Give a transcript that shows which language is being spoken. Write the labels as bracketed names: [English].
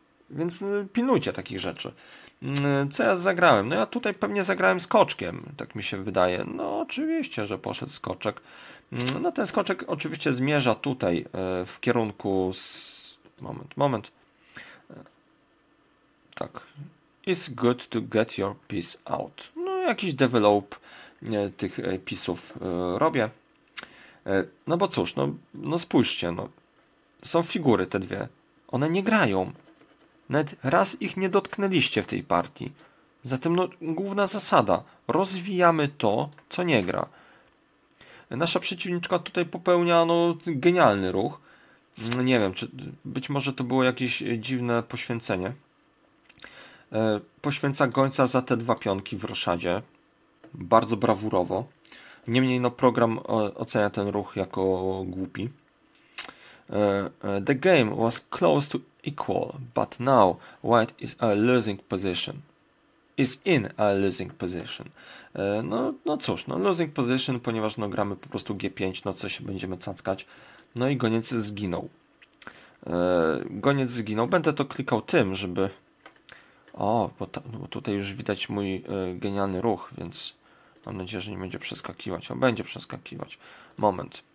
[Polish] Więc pilnujcie takich rzeczy. Co ja zagrałem? No ja tutaj pewnie zagrałem skoczkiem, tak mi się wydaje. No oczywiście, że poszedł skoczek. No ten skoczek oczywiście zmierza tutaj w kierunku z... Moment, moment. Tak. [English] It's good to get your piece out. [Polish] No jakiś develop tych pisów robię. No bo cóż, no spójrzcie, no. Są figury te dwie. One nie grają. Nawet raz ich nie dotknęliście w tej partii. Zatem no, główna zasada. Rozwijamy to, co nie gra. Nasza przeciwniczka tutaj popełnia no, genialny ruch. No, nie wiem, czy być może to było jakieś dziwne poświęcenie. Poświęca gońca za te dwa pionki w roszadzie. Bardzo brawurowo. Niemniej no, program ocenia ten ruch jako głupi. [English] The game was close to equal, but now white is a losing position. Is in a losing position. [Polish] No cóż, no [English] losing position, [Polish] ponieważ no gramy po prostu G5, no co się będziemy cackać. No i goniec zginął. Goniec zginął. Będę to klikał tym, żeby... O, bo tutaj już widać mój genialny ruch, więc mam nadzieję, że nie będzie przeskakiwać. O, będzie przeskakiwać. Moment.